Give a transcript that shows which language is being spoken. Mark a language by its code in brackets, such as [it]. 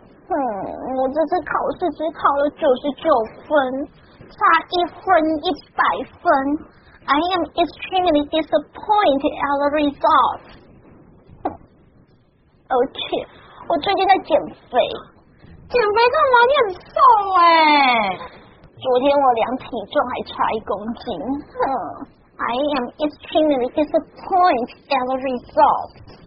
[zh] 我这次考试只考了99分，差一分100分。 [en] I am extremely disappointed at the results. [zh] Okay, 我最近在减肥。减肥干嘛？你很瘦哎。昨天我量体重还差1公斤。 [en] I am extremely disappointed at the results.